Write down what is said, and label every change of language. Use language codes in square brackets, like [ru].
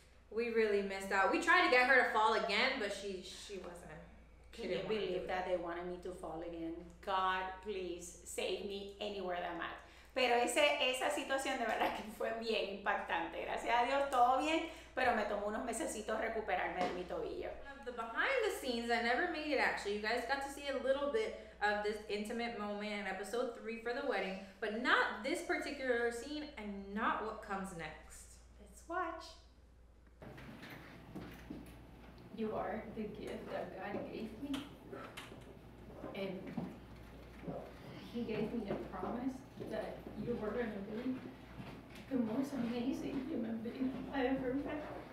[en] We really missed out. We tried to get her to fall again, but she wasn't. Can you believe that they wanted me to fall again? God, please, save me anywhere that matters. [es] Pero esa situación de verdad que fue bien impactante. Gracias a Dios, todo bien, pero me tomó unos mesecitos recuperarme de mi tobillo. [en] The behind the scenes, I never made it actually. You guys got to see a little bit of this intimate moment in episode 3 for the wedding, but not this particular scene and not what comes next. Let's watch. You are the gift that God gave me. And He gave me a promise that you were going to be the most amazing human being I ever met.